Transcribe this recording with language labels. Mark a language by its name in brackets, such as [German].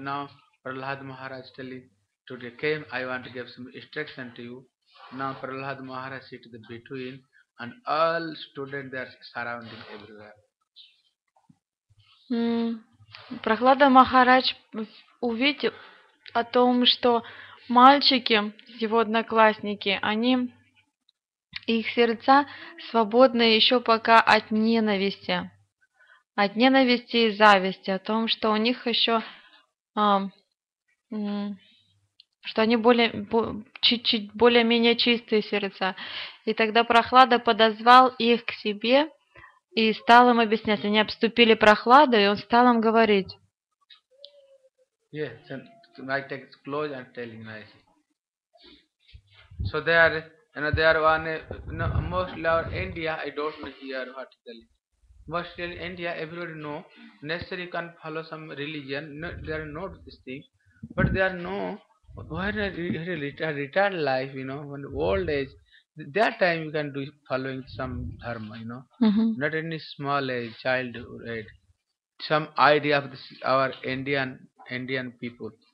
[English] Now Prahlad Maharaj telling, today came, I want to give some instruction to you. Now Prahlad Maharaj sit the between, and all students they are surrounding everywhere. [Russian] Прахлада Махарадж увидел о том, что мальчики, его одноклассники, они, их сердца свободны еще пока от ненависти. От ненависти и зависти, о том, что у них еще, что они более-менее чистые сердца. И тогда Прохлада подозвал их к себе и стал им объяснять. Они обступили Прохладу, и он стал им говорить. [English] Yes, I take it close and telling nicely. So they are mostly our India, I don't know here what to tell you. Mostly India, everybody know, necessary can follow some religion, they are not this thing, but they are retired life, when old age, that time you can do following some dharma, not any small age, childhood age, some idea of this, our Indian people.